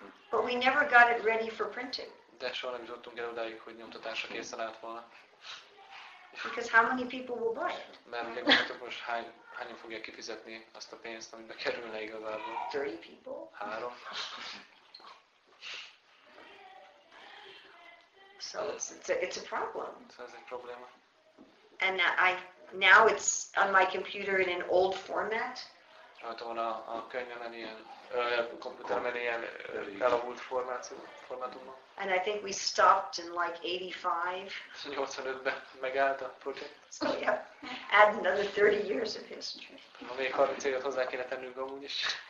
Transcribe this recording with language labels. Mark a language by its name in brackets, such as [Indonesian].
[English] But we never got it ready for printing. [Hungarian] De soha nem jutottunk el odáig, hogy nyomtatásra készen állt volna. [English] Because how many people will buy it? [Hungarian] Mert megmondtuk most hányan fogják kifizetni azt a pénzt, amibe kerülne igazából. [English] 3 people? 3. So it's a problem. [Hungarian] Szóval ez egy probléma. [English] And now it's on my computer in an old format. [Hungarian] Rajta van a könyvemen ilyen, a komputeremen ilyen elavult formátumban. [English] And I think we stopped in like 85. [Hungarian] 85-ben megállt a projekt. [English] So yeah, add another 30 years of history. [Hungarian] Ha még 30 évet hozzá kéne tennünk amúgy is.